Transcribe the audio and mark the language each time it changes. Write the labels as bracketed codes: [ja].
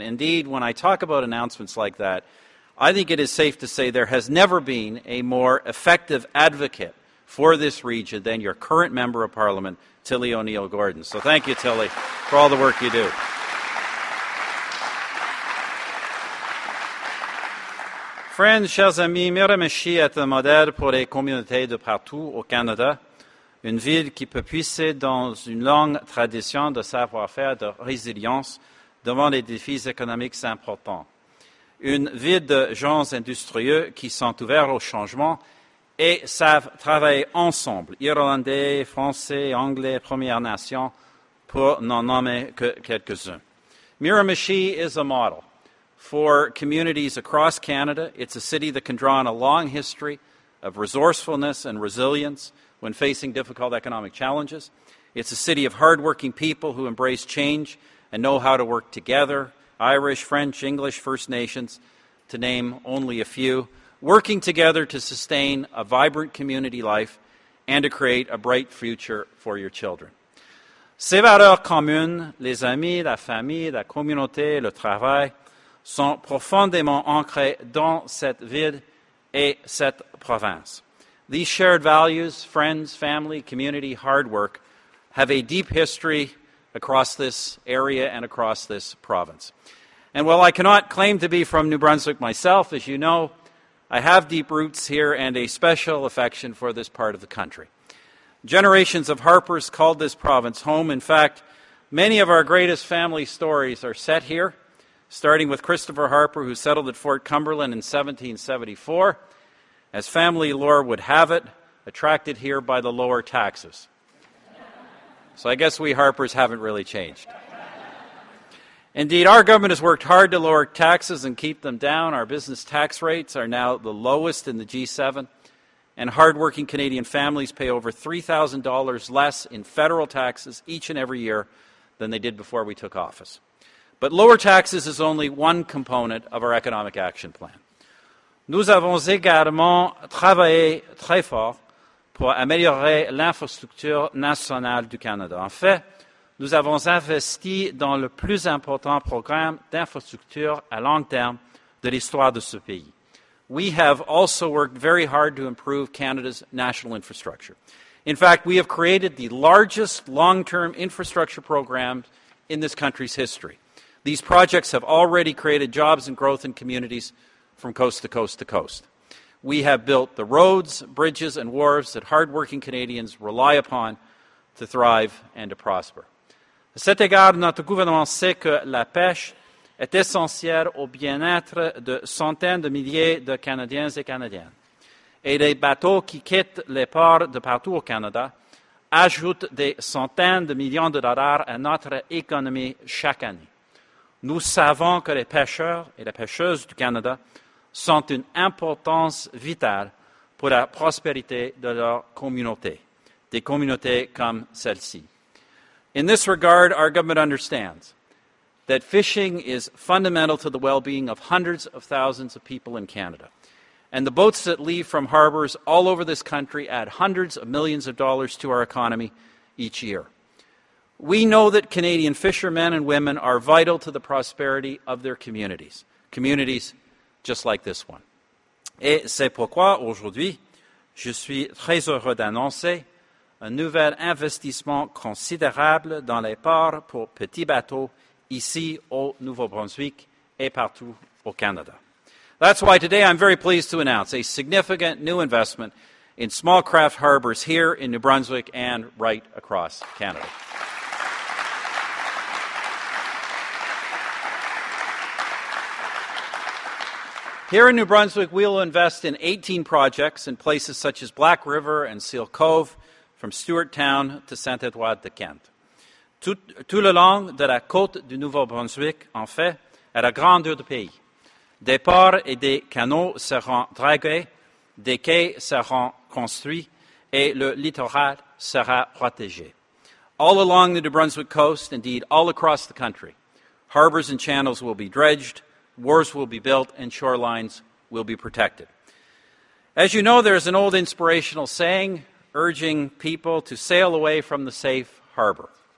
[en] Indeed, when I talk about announcements like that, I think it is safe to say there has never been a more effective advocate for this region than your current Member of Parliament, Tilly O'Neill Gordon. So thank you, Tilly, for all the work you do. [fr] Friends, chers amis, Miramichi est un modèle pour les communautés de partout au Canada, une ville qui peut puiser dans une longue tradition de savoir-faire de résilience devant les défis économiques importants, une ville de gens industrieux qui sont ouverts au changement et savent travailler ensemble, Irlandais, Français, Anglais, Premières Nations, pour n'en nommer que quelques-uns. [en] Miramichi is a model for communities across Canada. It's a city that can draw on a long history of resourcefulness and resilience when facing difficult economic challenges. It's a city of hardworking people who embrace change and know how to work together, Irish, French, English, First Nations, to name only a few, working together to sustain a vibrant community life and to create a bright future for your children. [fr] Ces valeurs communes, les amis, la famille, la communauté, le travail, sont profondément ancrés dans cette ville et cette province. [en] These shared values, friends, family, community, hard work, have a deep history across this area and across this province. And while I cannot claim to be from New Brunswick myself, as you know, I have deep roots here and a special affection for this part of the country. Generations of Harpers called this province home. In fact, many of our greatest family stories are set here, starting with Christopher Harper, who settled at Fort Cumberland in 1774, as family lore would have it, attracted here by the lower taxes. So I guess we Harpers haven't really changed. Indeed, our government has worked hard to lower taxes and keep them down. Our business tax rates are now the lowest in the G7, and hardworking Canadian families pay over $3,000 less in federal taxes each and every year than they did before we took office. But lower taxes is only one component of our economic action plan. [fr] Nous avons également travaillé très fort pour améliorer l'infrastructure nationale du Canada. En fait, nous avons investi dans le plus important programme d'infrastructure à long terme de l'histoire de ce pays. [en] We have also worked very hard to improve Canada's national infrastructure. In fact, we have created the largest long-term infrastructure program in this country's history. These projects have already created jobs and growth in communities from coast to coast to coast. We have built the roads, bridges, and wharves that hardworking Canadians rely upon to thrive and to prosper. [fr] À cet égard, notre gouvernement sait que la pêche est essentielle au bien-être de centaines de milliers de Canadiens et Canadiennes. Et les bateaux qui quittent les ports de partout au Canada ajoutent des centaines de millions de dollars à notre économie chaque année. Nous savons que les pêcheurs et les pêcheuses du Canada sont une importance vitale pour la prospérité de leur communauté, des communautés comme celle-ci. [en] In this regard, our government understands that fishing is fundamental to the well-being of hundreds of thousands of people in Canada. And the boats that leave from harbors all over this country add hundreds of millions of dollars to our economy each year. We know that Canadian fishermen and women are vital to the prosperity of their communities, communities just like this one. [fr] Et c'est pourquoi aujourd'hui, je suis très heureux d'annoncer un nouvel investissement considérable dans les ports pour petits bateaux ici au Nouveau-Brunswick et partout au Canada. [en] That's why today I'm very pleased to announce a significant new investment in small craft harbors here in New Brunswick and right across Canada. Here in New Brunswick, we'll invest in 18 projects in places such as Black River and Seal Cove, from Stewarttown to Saint-Édouard-de-Kent. [fr] Tout le long de la côte du Nouveau-Brunswick, en fait, à la grandeur du pays, des ports et des canaux seront dragués, des quais seront construits et le littoral sera protégé. [en] All along the New Brunswick coast, indeed all across the country, harbors and channels will be dredged, wharves will be built, and shorelines will be protected. As you know, there is an old inspirational saying urging people to sail away from the safe harbor.